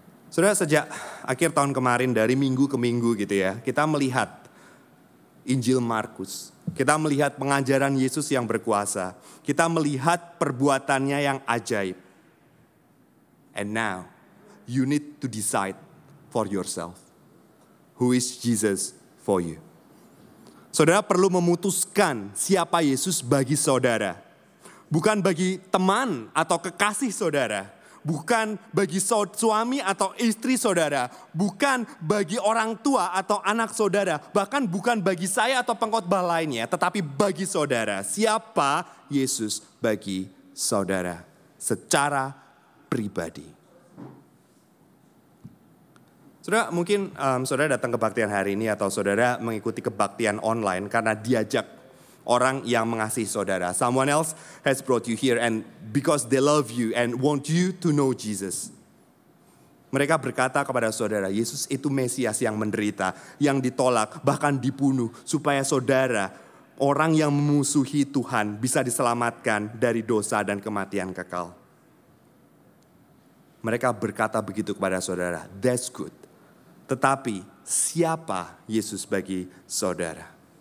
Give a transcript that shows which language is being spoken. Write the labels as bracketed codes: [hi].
[id] Saudara, sejak akhir tahun kemarin, dari minggu ke minggu gitu ya, kita melihat Injil Markus, kita melihat pengajaran Yesus yang berkuasa, kita melihat perbuatannya yang ajaib. [en] And now, you need to decide for yourself, who is Jesus for you? [id] Saudara perlu memutuskan siapa Yesus bagi saudara, bukan bagi teman atau kekasih saudara, bukan bagi suami atau istri saudara. Bukan bagi orang tua atau anak saudara. Bahkan bukan bagi saya atau pengkhotbah lainnya. Tetapi bagi saudara. Siapa Yesus bagi saudara secara pribadi? Saudara, mungkin saudara datang kebaktian hari ini. Atau saudara mengikuti kebaktian online. Karena diajak orang yang mengasihi saudara. [en] Someone else has brought you here and because they love you and want you to know Jesus. [id] Mereka berkata kepada saudara, Yesus itu Mesias yang menderita, yang ditolak, bahkan dibunuh, supaya saudara, orang yang memusuhi Tuhan, bisa diselamatkan dari dosa dan kematian kekal. Mereka berkata begitu kepada saudara, that's good. Tetapi, siapa Yesus bagi saudara?